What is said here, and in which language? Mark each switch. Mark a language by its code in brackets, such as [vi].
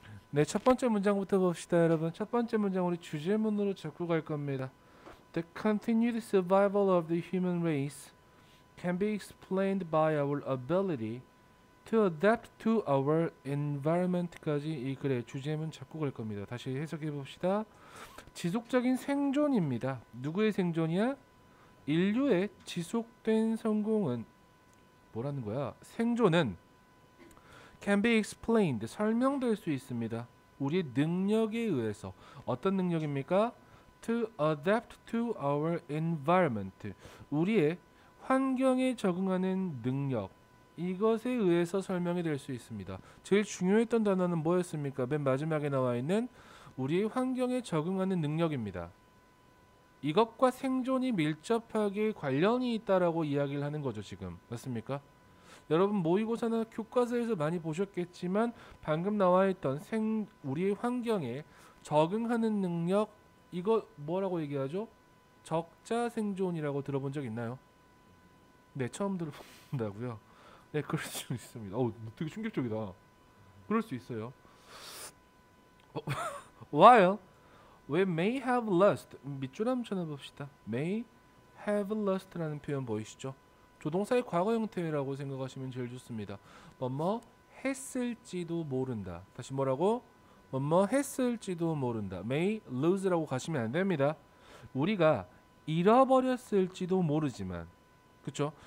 [ko] 네, 첫 번째 문장부터 봅시다, 여러분. 첫 번째 문장 우리 주제문으로 적고 갈 겁니다. [en] The continued survival of the human race can be explained by our ability to adapt to our environment까지 [ko] 이 글의 주제문 잡고 갈 겁니다. 다시 해석해 봅시다. 지속적인 생존입니다. 누구의 생존이야? 인류의 지속된 성공은 뭐라는 거야? 생존은 can be explained, 설명될 수 있습니다. 우리의 능력에 의해서. 어떤 능력입니까? [en] To adapt to our environment. [ko] 우리의 환경에 적응하는 능력. 이것에 의해서 설명이 될 수 있습니다. 제일 중요했던 단어는 뭐였습니까? 맨 마지막에 나와 있는 우리의 환경에 적응하는 능력입니다. 이것과 생존이 밀접하게 관련이 있다라고 이야기를 하는 거죠, 지금. 맞습니까? 여러분 모의고사나 교과서에서 많이 보셨겠지만 방금 나와 있던 우리의 환경에 적응하는 능력, 이거 뭐라고 얘기하죠? 적자 생존이라고 들어본 적 있나요? 네, 처음 들어본다고요. 네, 그럴 수 있습니다. 어우, 되게 충격적이다. 그럴 수 있어요. [en] While we may have lost, [ko] 밑줄 한번 쳐내봅시다. [en] May have lost [ko] 라는 표현 보이시죠? 조동사의 과거 형태라고 생각하시면 제일 좋습니다. 뭐뭐 했을지도 모른다. 다시 뭐라고? 뭐뭐 했을지도 모른다. [en] May lose [ko] 라고 가시면 안 됩니다. 우리가 잃어버렸을지도 모르지만, 그렇죠?